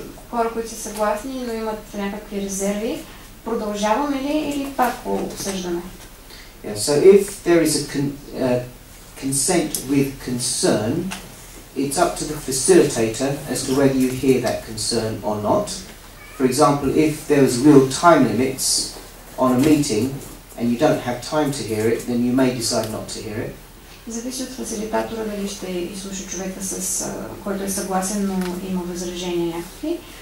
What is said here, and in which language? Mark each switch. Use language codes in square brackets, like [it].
[bg] Хора, които са съгласни, но имат някакви резерви, продължаваме ли или пак го обсъждаме? [en] Yeah, so if there is a consent with concern, it's up to the facilitator as to whether you hear that concern or not. For example, if there's real time limits on a meeting and you don't have time to hear it, then you may decide not to hear it. [bg] Зависи от фасилитатора дали ще изслуша човека, който е съгласен, но има възражения някакви.